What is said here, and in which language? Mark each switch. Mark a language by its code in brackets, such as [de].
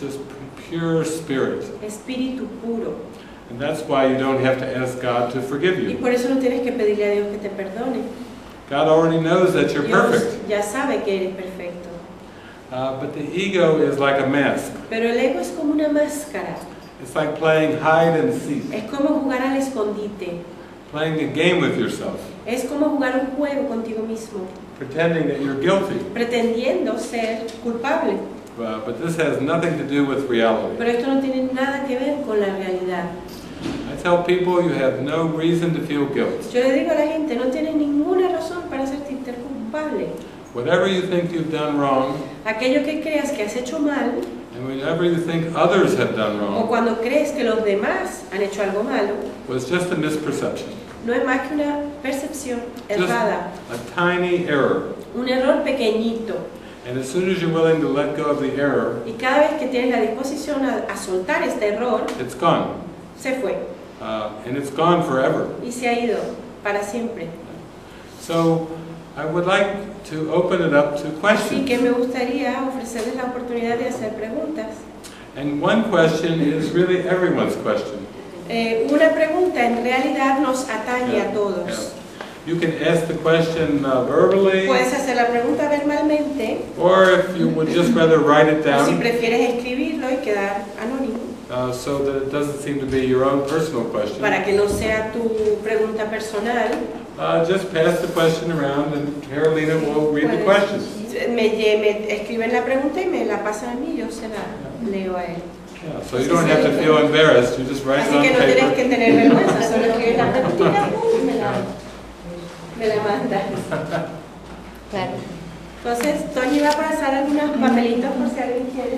[en] Just pure spirit. [es] Espíritu puro. [en] And that's why you don't have to ask God to forgive you. [es] Y por eso no tienes que pedirle a Dios que te perdone. [en] God already knows that you're perfect. [es] Dios ya sabe que eres perfecto. [en] But the ego is like a mask. [es] Pero el ego es como una máscara. [en] It's like playing hide and seek. [es] Es como jugar al escondite. [en] Playing a game with yourself. [es] Es como jugar un juego contigo mismo. [en] Pretending that you're guilty. [es] Pretendiendo ser culpable. [en] But this has nothing to do with reality. [es] Pero esto no tiene nada que ver con la realidad. [en] I tell people you have no reason to feel guilt. [es] Yo le digo a la gente, no tienes ninguna razón para sentirte culpable. [en] Whatever you think you've done wrong, [es] aquello que creas que has hecho mal, [en] and whenever you think others have done wrong, [es] o cuando crees que los demás han hecho algo malo, [en] was just a misperception. [es] No es más que una percepción errada. [en] Just a tiny error. [es] Un error pequeñito. [en] And as soon as you're willing to let go of the error, [es] y cada vez que tienes la disposición a soltar este error, [en] it's gone. [es] Se fue. [en] And it's gone forever. [es] Y se ha ido para siempre. [en] So, I would like to open it up to questions. [es] Y que me gustaría ofrecerles la oportunidad de hacer preguntas. [en] And one question is really everyone's question. [es] Una pregunta en realidad nos atañe a todos. [en] You can ask the question verbally. [es] Puedes hacer la pregunta verbalmente. [en] Or if you would just rather write it down. [es] Si prefieres escribirlo y quedar anónimo. [en] So that it doesn't seem to be your own personal question. [es] Para que no sea tu pregunta personal. [en] Just pass the question around and Carolina will read the question. [es] Me escriben la pregunta y me la pasan a mí, yo se la leo a él. [en] Yeah, so you don't have to feel embarrassed, you just write [es] así [en] it on [es] que no [en] paper. [es] Tienes que tener vergüenza, solo escribes la pregunta y me la mandas. Claro. Entonces, Tony va a pasar algunos papelitos por si alguien quiere.